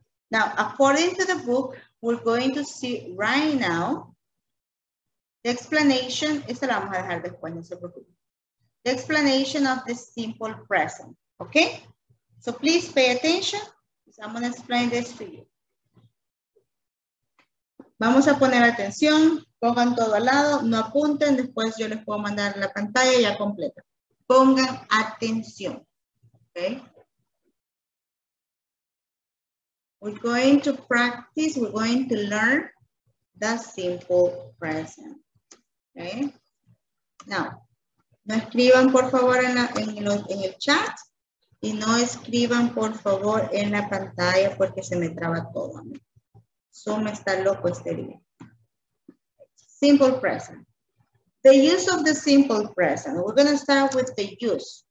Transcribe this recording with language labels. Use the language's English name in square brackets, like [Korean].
[English] Now, according to the book, we're going to see right now the explanation. [Spanish] Esta la vamos a dejar después, no se preocupen. [English] The explanation of the simple present, [Spanish] okay? [English] So please pay attention. I'm going to explain this to you. [Spanish] Vamos a poner atención, pongan todo al lado, no apunten, después yo les puedo mandar la pantalla ya completa. Pongan atención, okay? [English] We're going to practice, we're going to learn the simple present, okay? [Spanish] Now, no escriban por favor en el chat. Y no escriban, por favor, en la pantalla porque se me traba todo. Zoom está loco este día. Simple present. [English] The use of the simple present. We're going to start with the use.